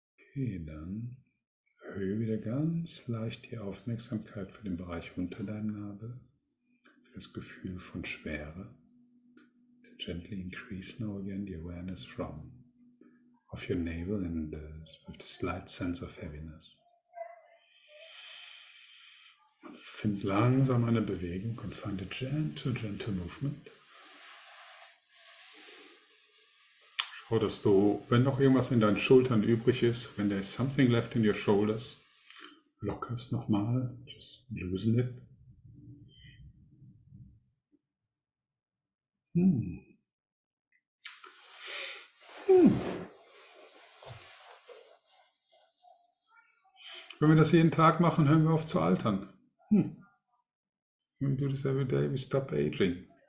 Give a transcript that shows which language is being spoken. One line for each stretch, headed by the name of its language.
German: Okay, dann erhöhe wieder ganz leicht die Aufmerksamkeit für den Bereich unter deinem Nabel, für das Gefühl von Schwere.
English: And gently increase now again the awareness from of your navel and with a slight sense of heaviness.
German: Find langsam eine Bewegung und
English: find a gentle, gentle movement.
German: Oh, dass du, wenn noch irgendwas in deinen Schultern übrig ist, wenn
English: there is something left in your shoulders,
German: locker es nochmal,
English: just loosen it.
German: Wenn wir das jeden Tag machen, hören wir auf zu altern.
English: When we do this every day, we stop aging.